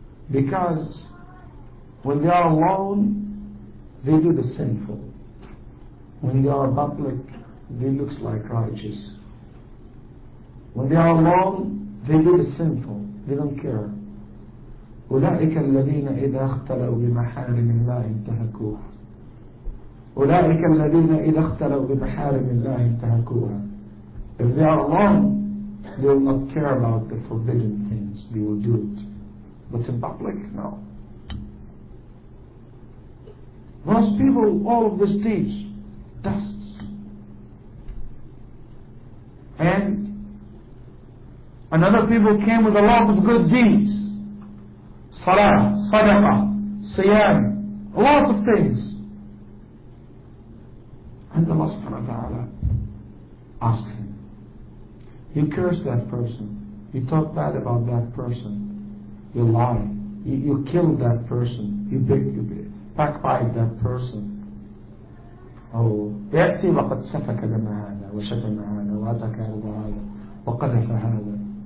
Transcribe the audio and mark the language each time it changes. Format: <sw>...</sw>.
<en>Because when they are alone, they do the sinful. When they are public, they look like righteous. When they are alone, they do the sinful. They don't care.</en> <ar>أولئك الذين إذا اختلوا بمحارم الله انتهكوها. أولئك الذين إذا اختلوا بمحارم الله انتهكوها.</ar> <en>If they are alone, they will not care about the forbidden things. They will do it. But in public, no. Those people, all of the states, dusts. And another people came with a lot of good deeds. Salah, sadaqah, siyam, a lot of things. And Allah subhanahu wa ta'ala asked him. He cursed that person. He talked bad about that person. You lie. You killed that person. You backbite that person.</en> <ar>Oh, يأتي وقد سفك دم هذا وشتم هذا وأتك هذا وقذف هذا.</ar>